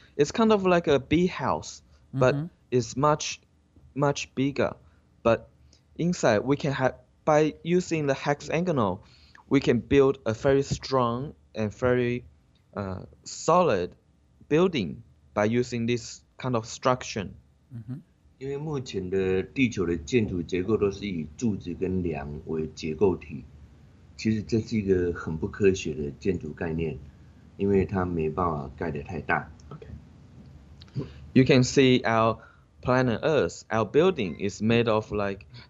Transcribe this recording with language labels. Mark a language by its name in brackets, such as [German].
[English] It's kind of like a bee house, but it's much bigger. But inside we can have. By using the hexagonal, we can build a very strong and very solid building by using this kind of structure. [Chinese] 因为目前的地球的建筑结构都是以柱子跟梁为结构体，其实这是一个很不科学的建筑概念，因为它没办法盖得太大。 [English] Okay. You can see our planet Earth, our building is made of like.